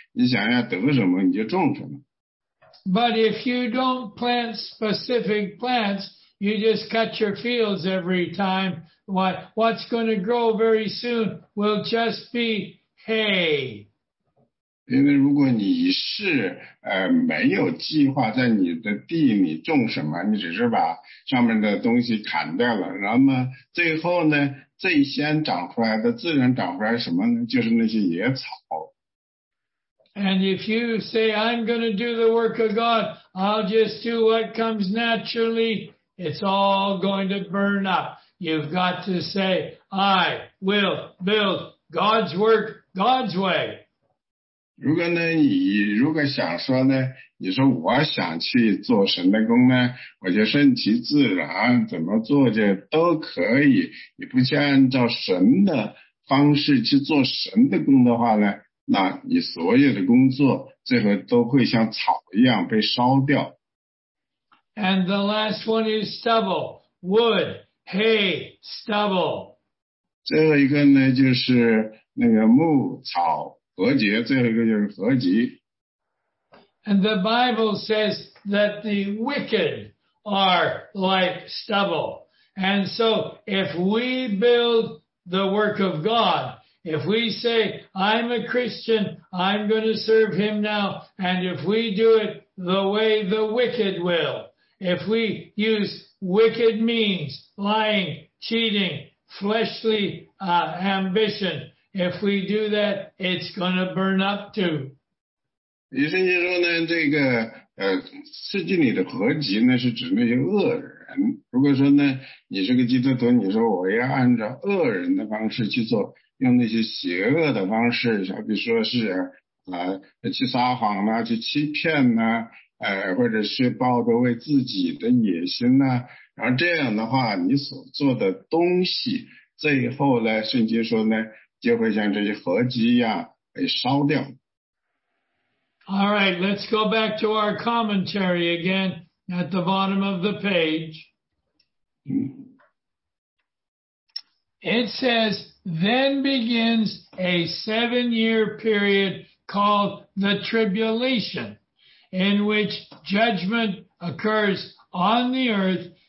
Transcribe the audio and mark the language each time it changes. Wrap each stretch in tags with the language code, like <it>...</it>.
<zh>你想要得什么，你就种什么。</zh> <en>But if you don't plant specific plants, you just cut your fields every time. What's going to grow very soon will just be hay.</en> <zh>因为如果你是没有计划在你的地里种什么，你只是把上面的东西砍掉了，那么最后呢，最先长出来的自然长出来什么呢？就是那些野草。</zh> <en>And if you say, I'm going to do the work of God, I'll just do what comes naturally, it's all going to burn up. You've got to say, I will build God's work, God's way.</en> <zh>如果呢，你如果想说呢，你说我想去做神的工呢，我就顺其自然，怎么做就都可以。你不去按照神的方式去做神的工的话呢，那你所有的工作最后都会像草一样被烧掉。</zh> <en>And the last one is stubble, wood. Hey, stubble.</en> <zh>最后一个呢，就是那个木草禾秸，最后一个就是禾秸。</zh> <en>And the Bible says that the wicked are like stubble. And so if we build the work of God, if we say, I'm a Christian, I'm going to serve him now, and if we do it the way the wicked will, if we use wicked means,Lying, cheating, fleshly ambition. If we do that, it's going to burn up too.</en> <zh>以圣经说呢，这个圣经里的禾秸呢，是指那些恶人。如果说呢，你是个基督徒，你说我要按照恶人的方式去做，用那些邪恶的方式，好比说是去撒谎啦，去欺骗啦，或者是抱着为自己的野心呢。然后这样的话，你所做的东西，最后呢，圣经说呢，就会像这些禾秸一样被烧掉。</zh> <en>All right, let's go back to our commentary again at the bottom of the page. It says, then begins a seven-year period called the tribulation, in which judgment occurs on the earth.</en>